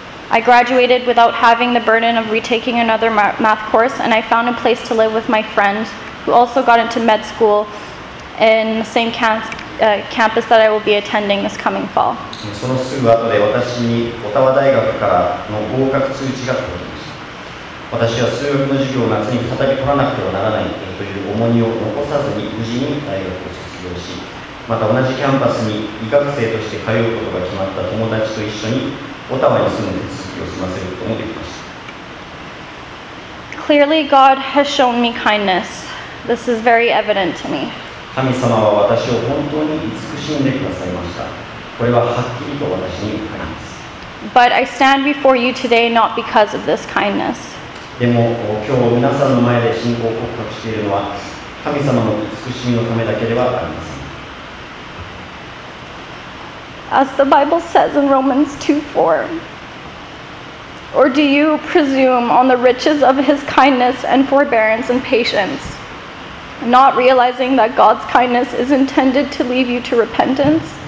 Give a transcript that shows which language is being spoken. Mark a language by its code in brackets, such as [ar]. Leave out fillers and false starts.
[en] I graduated without having the burden of retaking another math course, and I found a place to live with my friend, who also got into med school in the same campus that I will be attending this coming fall. [ja] そのすぐ後で私にオタワ大学からの合格通知が届きました。私は数学の授業を夏に再び取らなくてはならないという重荷を残さずに無事に大学を卒業し、また同じキャンパスに医学生として通うことが決まった友達と一緒にオタワに住む手続きを済ませることもできました。 [en] Clearly God has shown me kindness. This is very evident to me. [ja] 神様は私を本当に慈しんでくださいました。これははっきりと私に分かります。 [en] But I stand before you today not because of this kindness. [ja] でも今日皆さんの前で信仰を告白しているのは神様の慈しみのためだけではありません。 [en] As the Bible says in Romans 2:4, or do you presume on the riches of his kindness and forbearance and patience? Not realizing that God's kindness is intended to lead you to repentance.